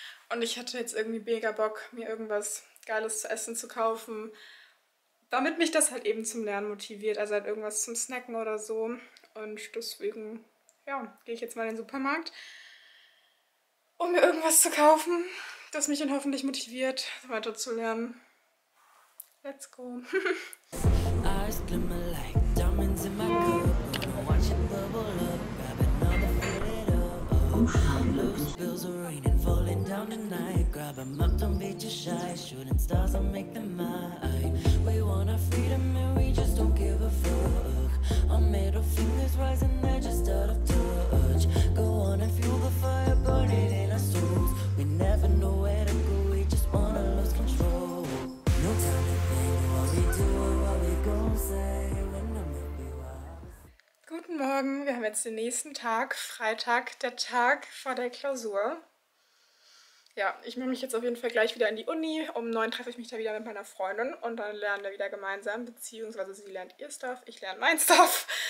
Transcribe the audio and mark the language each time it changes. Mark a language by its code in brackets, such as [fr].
[de] Und ich hatte jetzt irgendwie mega Bock, mir irgendwas Geiles zu essen zu kaufen, damit mich das halt eben zum Lernen motiviert, also halt irgendwas zum Snacken oder so. Und deswegen, ja, gehe ich jetzt mal in den Supermarkt, um mir irgendwas zu kaufen, das mich dann hoffentlich motiviert, weiter zu lernen. [en] Let's go. Eyes glimmer like diamonds in my cup. I'm watching bubble up, grab another fill it up. Oh, blue spills are raining, falling down tonight. Grab a mug, don't be too shy. Shooting stars, I'll make them mine. We want our freedom and we just don't give a fuck. Our middle fingers rising, they're just out of touch. Go on and fuel the fire burning in our souls. We never know where to go, we just wanna lose control. No time to think what we do or what we gon' say. When I'm with you, [de] Guten Morgen, wir haben jetzt den nächsten Tag, Freitag, der Tag vor der Klausur. Ja, ich mache mich jetzt auf jeden Fall gleich wieder in die Uni. Um 9 treffe ich mich da wieder mit meiner Freundin und dann lernen wir wieder gemeinsam, beziehungsweise sie lernt ihr Stuff, ich lerne mein Stuff.